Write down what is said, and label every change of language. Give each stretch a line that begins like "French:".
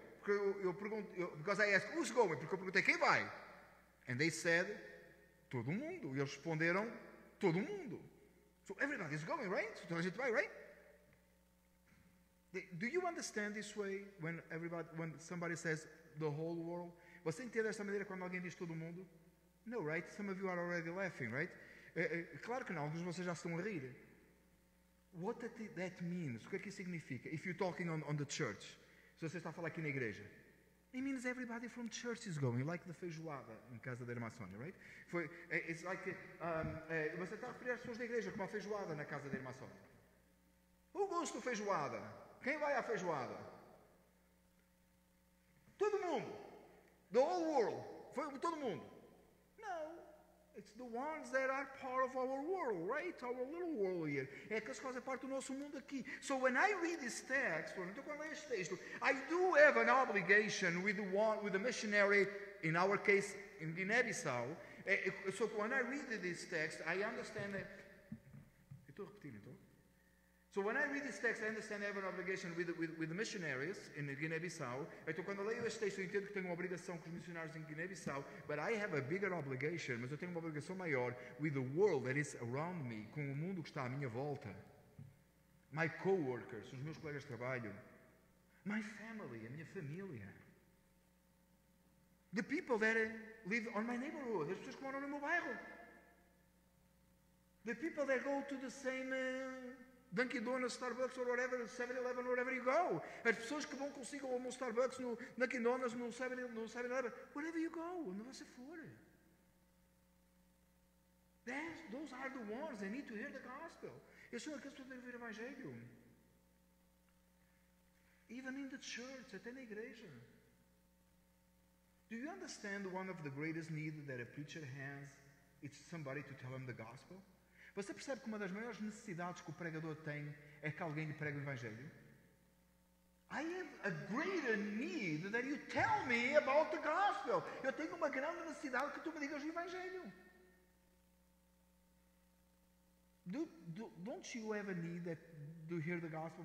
Portuguese: Porque eu pergunto,
English: because I ask, who's going?
Portuguese: Porque eu perguntei, quem vai?
English: And they said,
Portuguese: todo mundo. E eles responderam, todo mundo.
English: So everybody's going, right?
Portuguese: So toda a gente vai, right?
English: Do you understand this way when somebody says the whole world?
Portuguese: Você entende desta maneira quando alguém diz todo mundo?
English: No, right? Some of you are already laughing, right?
Portuguese: Claro que não, alguns de vocês já estão a rir.
English: What that means?
Portuguese: O que é que isso significa?
English: If you're talking on the church,
Portuguese: se você está a falar aqui na igreja,
English: it means everybody from church is going, like the
Portuguese: feijoada em casa da irmã Sónia, right?
English: It's like,
Portuguese: você está a referir às pessoas da igreja como a feijoada na casa da irmã Sónia.
English: Who goes to feijoada?
Portuguese: Quem vai à feijoada? Todo mundo.
English: The whole world.
Portuguese: Foi todo mundo. No.
English: It's the ones that are part of our world, right? Our little world here.
Portuguese: É aqueles que fazem parte do nosso mundo aqui.
English: So when I read this text,
Portuguese: quando eu leio este texto,
English: I do have an obligation with the missionary, in our case, in Guiné-Bissau. So when I read this text, I understand that...
Portuguese: Estou repetindo, então.
English: So when I read this text, I understand I have an obligation with the missionaries in Guinea-Bissau.
Portuguese: Então quando eu leio este texto, eu entendo que tenho uma obrigação com os missionários em Guiné-Bissau.
English: But I have a bigger obligation,
Portuguese: mas eu tenho uma obrigação maior
English: with the world that is around me,
Portuguese: com o mundo que está à minha volta.
English: My co-workers,
Portuguese: os meus colegas de trabalho.
English: My family,
Portuguese: a minha família.
English: The people that live on my neighborhood,
Portuguese: as pessoas que moram no meu bairro.
English: The people that go to the same... Dunkin' Donuts, Starbucks, or whatever, 7-Eleven, wherever you go.
Portuguese: As pessoas que vão consigo ou no Starbucks, no Dunkin' Donuts, no 7-Eleven,
English: wherever you go,
Portuguese: onde você for.
English: Those are the ones that need to hear the gospel.
Portuguese: Eu sou aqueles que têm que ouvir o Evangelho.
English: Even in the church,
Portuguese: até na igreja.
English: Do you understand one of the greatest needs that a preacher has It's somebody to tell him the gospel.
Portuguese: Você percebe que uma das maiores necessidades que o pregador tem é que alguém lhe pregue o evangelho?
English: I have a greater need that you tell me about the gospel.
Portuguese: Eu tenho uma grande necessidade que tu me digas o evangelho.
English: Don't you have a need to hear the gospel?